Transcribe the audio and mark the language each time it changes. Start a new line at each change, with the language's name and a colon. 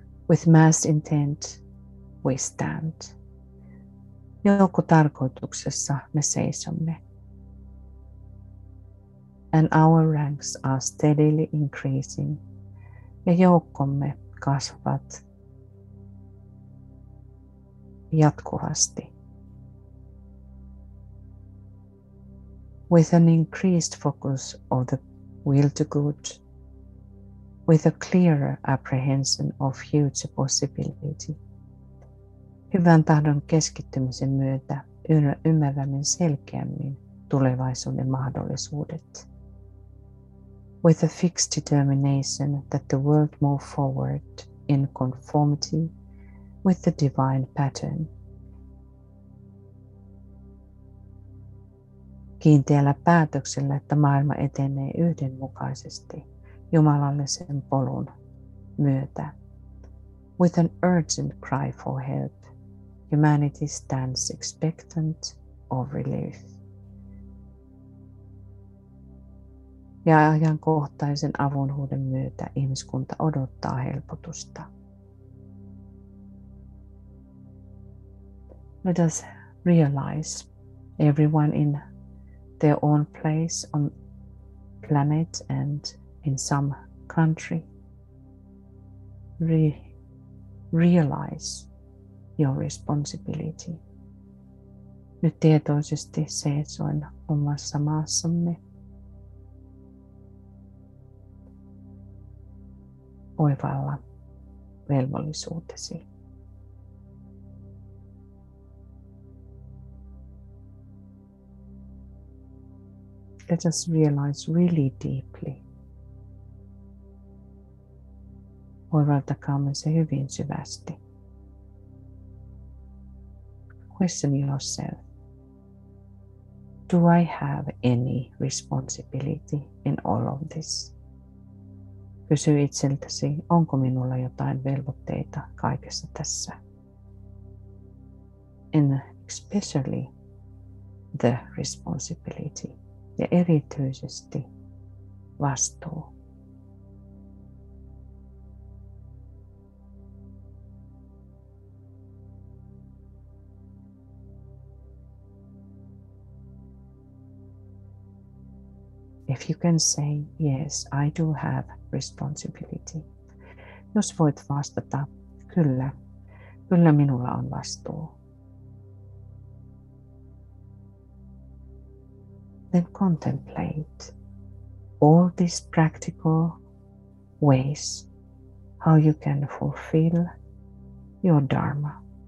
English: With mass intent, we stand.
Finnish: Joukkotarkoituksessa me seisomme.
English: And our ranks are steadily increasing.
Finnish: Ja joukkomme kasvavat jatkuvasti.
English: With an increased focus of the will to good, with a clearer apprehension of future possibility.
Finnish: Hyvän tahdon keskittymisen myötä ymmärrämme selkeämmin tulevaisuuden mahdollisuudet.
English: With a fixed determination that the world move forward in conformity with the divine pattern.
Finnish: Kiinteällä päätöksellä, että maailma etenee yhdenmukaisesti jumalallisen polun myötä.
English: With an urgent cry for help, humanity stands expectant of relief.
Finnish: Ja ajankohtaisen avunhuuden myötä ihmiskunta odottaa helpotusta.
English: Let us realize everyone in their own place on planet and in some country. Realize your responsibility.
Finnish: Nyt tietoisesti seisoin omassa maassamme. Oivalla velvollisuutesi.
English: Let us realize really deeply.
Finnish: Oivaltakaamme se hyvin syvästi.
English: Question yourself. Do I have any responsibility in all of this?
Finnish: Kysy itseltäsi, onko minulla jotain velvoitteita kaikessa tässä?
English: And especially the responsibility.
Finnish: Ja erityisesti vastuu.
English: If you can say, yes, I do have responsibility.
Finnish: Jos voit vastata, kyllä, kyllä minulla on vastuu.
English: Then contemplate all these practical ways how you can fulfill your dharma.